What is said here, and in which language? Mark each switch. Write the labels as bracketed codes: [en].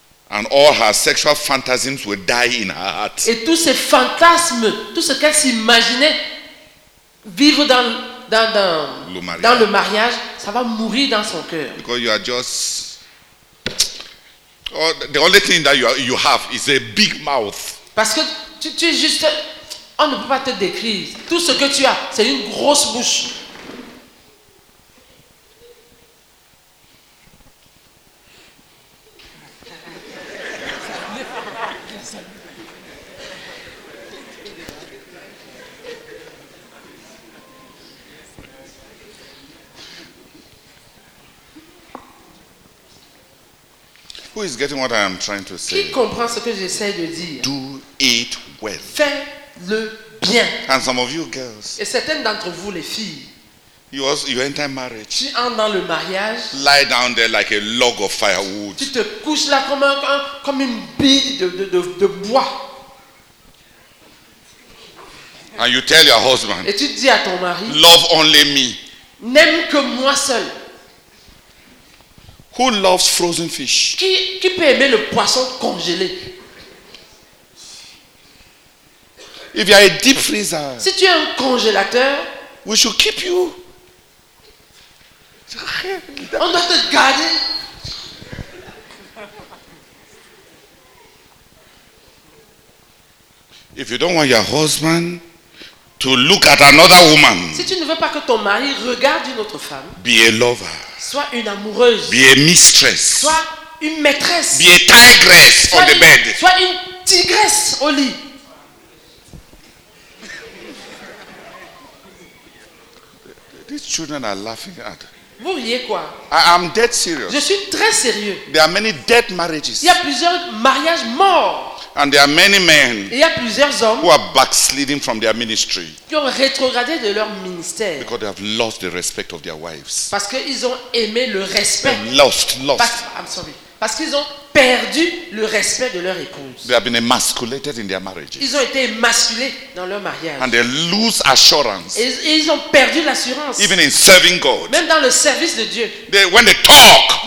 [en] And all her sexual fantasies will die in her heart. [fr] Et tous ses fantasmes, tout ce qu'elle s'imaginait vivre dans le mariage, ça va mourir dans son cœur. [en] Because you are just. Oh, the only thing that you have is a big mouth. [fr] Parce que tu es juste. On ne peut pas te décrire. Tout ce que tu as, c'est une grosse bouche. [en] Who is getting what I am trying to say? [fr] Qui comprend ce que j'essaie de dire? [en] Do it well. [fr] Fais-le bien. [en] And some of you girls, [fr] et certaines d'entre vous les filles, [en] you enter marriage, [fr] tu entres dans le mariage, [en] lie down there like a log of firewood. [fr] Tu te couches là comme comme une bille de bois. [en] And you tell your husband, [fr] et tu dis à ton mari, [en] love only me. [fr] N'aime que moi seul. [en] Who loves frozen fish? [fr] Qui peut aimer le poisson congelé? [en] If you are a deep freezer, [fr] si tu es un congélateur, [en] we should keep you. [fr] On doit te garder. [en] If you don't want your husband to look at another woman, [fr] si tu ne veux pas que ton mari regarde une autre femme, [en] be a lover. [fr] Sois une amoureuse. [en] Be a mistress. [fr] Sois une maîtresse. [en] Be a tigress on the bed. [fr] Sois une tigresse au lit. [en] These children are laughing at. [fr] Vous riez quoi? [en] I'm dead serious. [fr] Je suis très sérieux. [en] There are many dead marriages. [fr] Il y a plusieurs mariages morts. [en] And there are many men. [fr] Il y a plusieurs hommes. [en] Who are backsliding from their ministry. [fr] Qui ont rétrogradé de leur ministère. [en] Because they have lost the respect of their wives. [fr] Parce qu'ils ont aimé le respect. [en] Lost. [fr] Parce qu'ils ont perdu le respect de leur épouse. [en] They have been emasculated in their marriages. [fr] Ils ont été émasculés dans leur mariage. [en] And they lose assurance. [fr] Et ils ont perdu l'assurance. [en] Even in serving God. [fr] Même dans le service de Dieu. [en] When they talk.